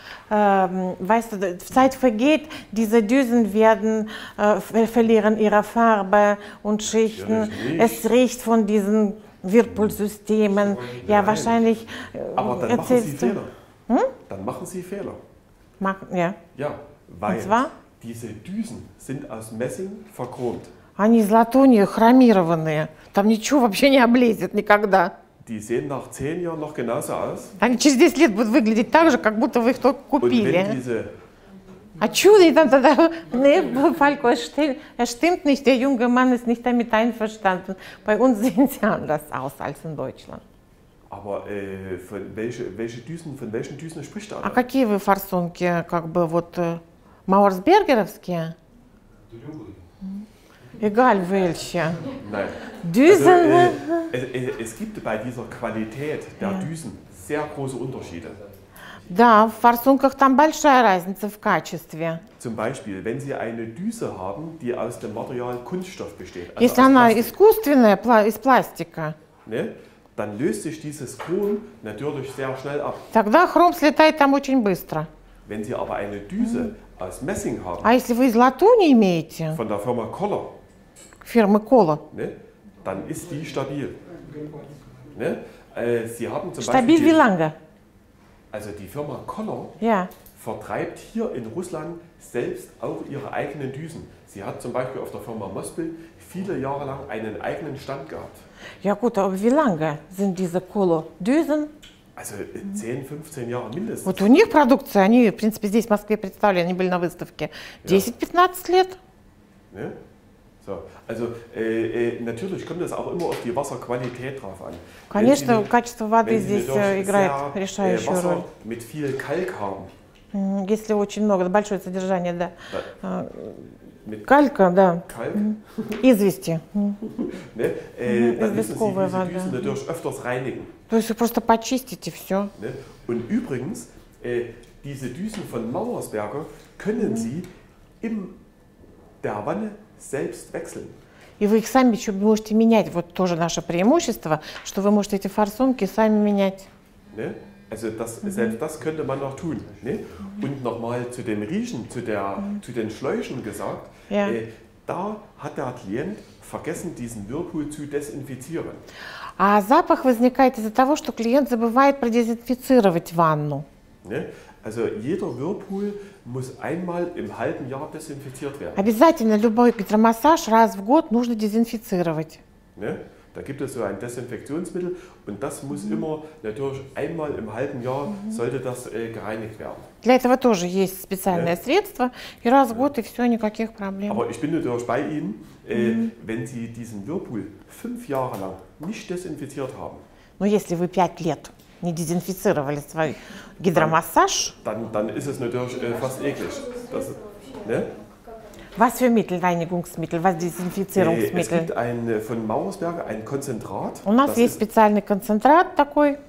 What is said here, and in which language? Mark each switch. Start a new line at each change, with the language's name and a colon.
German: Weißt du, Zeit vergeht, diese Düsen werden verlieren ihre Farbe und Schichten. Es riecht von diesen Whirlpool-Systemen. Ja, wahrscheinlich. Aber dann machen Sie Fehler. Dann machen Sie Fehler. Ja. Ja, weil diese Düsen sind aus Messing verchromt.
Russian: Они из латуни, хромированные. Там ничего вообще не облезет никогда.
German: Die sehen nach 10 Jahren noch genauso aus.
Russian: Они через 10 лет будут выглядеть так же, как будто вы их только купили.
German: Und wenn diese...
Russian: А чудо, и там тогда...
German: Ne, Falko, es stimmt nicht. Der junge Mann ist nicht damit einverstanden. Bei uns sehen sie anders aus als in Deutschland. Aber von, welche Düsen, von welchen Düsen spricht er?
Russian: А какие вы форсунки, как бы вот Mauersbergeровские?
German: Egal welche. Nein. Düsen. Also, es gibt bei dieser Qualität der Düsen sehr große Unterschiede.
Russian: Да, в форсунках там большая разница в качестве.
German: Zum Beispiel, wenn Sie eine Düse haben, die aus dem Material Kunststoff besteht.
Russian: Also если она искусственная, из пластика.
German: Ne? Dann löst sich dieses Chrom natürlich sehr schnell ab.
Russian: Тогда хром слетает там очень быстро.
German: Wenn Sie aber eine Düse aus Messing haben.
Russian: А если вы из латуни имеете?
German: Von der Firma Koller. Firma Koller. Ne? Dann ist die stabil. Ne? Sie haben zum stabil Beispiel wie lange? Also die Firma Koller ja. vertreibt hier in Russland selbst auch ihre eigenen Düsen. Sie hat zum Beispiel auf der Firma Mospel viele Jahre lang einen eigenen Stand gehabt. Ja gut, aber wie lange sind diese Koller Düsen? Also 10-15 Jahre mindestens.
Russian: Вот у них продукция, они, в принципе, здесь в Москве представлены, они были на выставке. 10-15 лет.
German: Ne? So. Also natürlich kommt es auch immer auf die Wasserqualität drauf an.
Russian: Конечно, качество воды здесь играет решающую роль.
German: Wenn Sie mit viel Kalk haben.
Russian: Если очень много, большое содержание, да. Калька, да.
German: Kalk?
Russian: Извести. Ne? Известковая вода.
German: Dann müssen Sie diese Düsen natürlich öfters reinigen.
Russian: То есть вы просто почистите все.
German: Ne? Und übrigens, diese Düsen von Mauersberger können Sie in der Wanne selbst wechseln.
Russian: И вы их сами еще можете менять. Вот тоже наше преимущество, что вы можете эти форсунки сами менять.
German: Ne? Also das, selbst das könnte man noch tun. Ne? Und nochmal zu den Riechen, zu den Schläuchen gesagt, da hat der Klient vergessen, diesen Whirlpool zu desinfizieren.
Russian: А запах возникает из-за того, что клиент забывает продезинфицировать ванну.
German: Ne? Also jeder Whirlpool muss einmal im halben Jahr desinfiziert werden.
Russian: Обязательно любой гидромассаж раз в год нужно дезинфицировать.
German: Ne? Da gibt es so ein Desinfektionsmittel und das muss immer natürlich einmal im halben Jahr sollte das gereinigt werden.
Russian: Для этого тоже есть специальное средство и раз в год и все никаких проблем.
German: Aber ich bin natürlich bei Ihnen, wenn Sie diesen Whirlpool 5 Jahre lang nicht desinfiziert haben.
Russian: Но если вы 5 лет не дезинфицировали свой гидромассаж,
German: dann ist es natürlich fast eklig. Das, ne? Was für Mittel, Reinigungsmittel, was Desinfizierungsmittel? Es gibt ein, von Mauersberger ein Konzentrat.
Russian: У нас есть специальный Konzentrat такой.